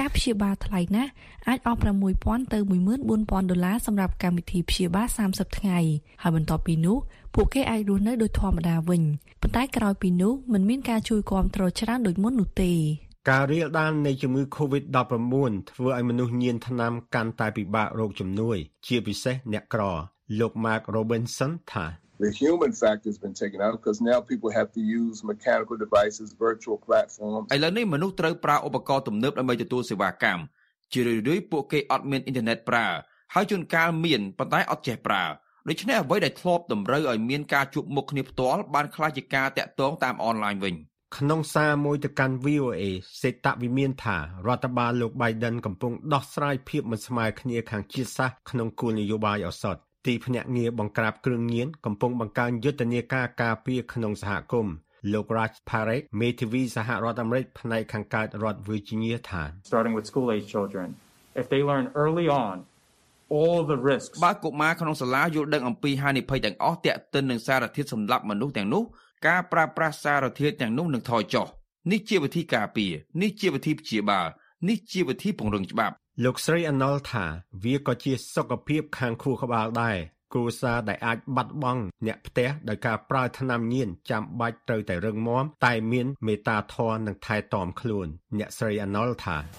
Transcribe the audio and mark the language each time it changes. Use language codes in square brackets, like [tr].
[km] ការព្យាបាលថ្លៃណាស់អាចអស់6,000ទៅ14,000ដុល្លារសម្រាប់កម្មវិធីព្យាបាល30ថ្ងៃហើយបន្ទាប់ពីនោះពួកគេអាចរស់នៅដោយធម្មតាវិញប៉ុន្តែក្រោយពីនោះมันមានការជួយគាំទ្រច្រើនដូចមុននោះទេ ការរីលដាននៃជំងឺ COVID-19 ធ្វើឲ្យមនុស្សញៀនថ្នាំកាន់តែពិបាករកជំនួយជាពិសេសអ្នកក្រលោក Mark Robinson ថា [en] The human factor has been taken out because now people have to use mechanical devices, virtual platforms. [km] ឥឡូវនេះមនុស្សត្រូវប្រើឧបករណ៍ទំនើបដើម្បីទទួលសេវាកម្មជារឿយៗពួកគេអត់មានអ៊ីនធឺណិតប្រើហើយជួនកាលមានប៉ុន្តែអត់ចេះប្រើដូច្នេះអ្វីដែលធ្លាប់តម្រូវឲ្យមានការជួបមុខគ្នាផ្ទាល់បានខ្លះជាការតាក់ទងតាមអនឡាញវិញ ក្នុងសារមួយទៅកាន់ VOA សេតវិមានថារដ្ឋបាលលោក Biden កំពុងដោះស្រាយភាពមិនស្មើគ្នាខាងជាតិសាសន៍ក្នុងគោលនយោបាយឱសថទីភ្នាក់ងារបង្ក្រាបគ្រឿងញៀនកំពុងបង្កើនយុទ្ធនាការការពារក្នុងសហគមន៍លោក Raj Parekh មេធាវីសហរដ្ឋអាមេរិកផ្នែកខាងកើតរដ្ឋ Virginia ថា [en] Starting with school age children if they learn early on all the risks [km] បើកុមារក្នុងសាលាយល់ដឹងអំពីហានិភ័យទាំងអស់តក្កិននឹងសារធាតុសម្លាប់មនុស្សទាំងនោះការប្រើប្រាស់សារធាតុទាំងនោះនឹងថយចុះនេះជាវិធីការពារនេះជាវិធីព្យាបាលនេះជាវិធីពង្រឹងច្បាប់លោកស្រីអណុលថាវាក៏ជាសុខភាពខាងខួរក្បាលដែរគ្រួសារដែលអាចបាត់បង់អ្នកផ្ទះដោយការប្រើថ្នាំញៀនចាំបាច់ត្រូវតែរឹងមាំតែមានមេត្តាធម៌និងថែទាំខ្លួនអ្នកស្រីអណុលថា